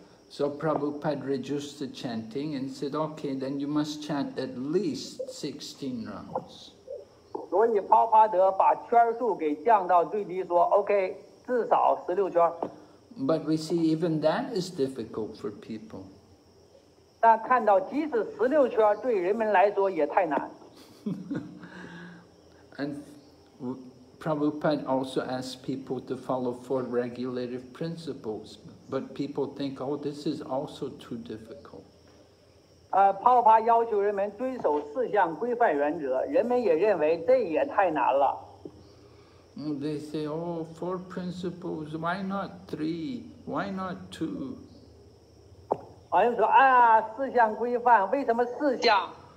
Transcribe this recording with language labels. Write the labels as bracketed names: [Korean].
[English] So Prabhupada reduced the chanting and said, okay, then you must chant at least 16 rounds. [Chinese] 所以帕帕德把圈数给降到最低，说 OK， 至少16圈。 [English] But we see even that is difficult for people. [Chinese] 但看到即使16圈对人们来说也太难。 [English] And Prabhupada also asks people to follow 4 regulative principles, but people think, oh, this is also too difficult. [Chinese] 帕帕要求人们遵守四项规范原则，人们也认为这也太难了。 [English] They say, oh, 4 principles, why not 3? Why not 2? [Chinese] 好像说，啊，四项规范，为什么四项？